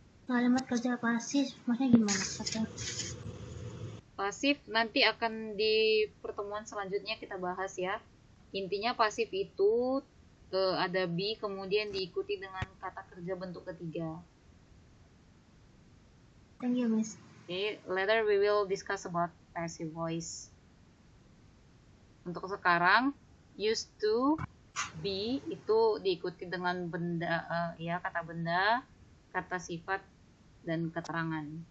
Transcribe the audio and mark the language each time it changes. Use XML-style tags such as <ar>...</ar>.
<id>Kalimat kerja pasif maksudnya gimana? Pasif nanti akan di pertemuan selanjutnya kita bahas ya. Intinya pasif itu ada be kemudian diikuti dengan kata kerja bentuk ketiga.</id> <en>Thank you, Miss. Okay, later we will discuss about passive voice.</en> <id>Untuk sekarang, used to be itu diikuti dengan benda, ya kata benda, kata sifat, dan keterangan.</id>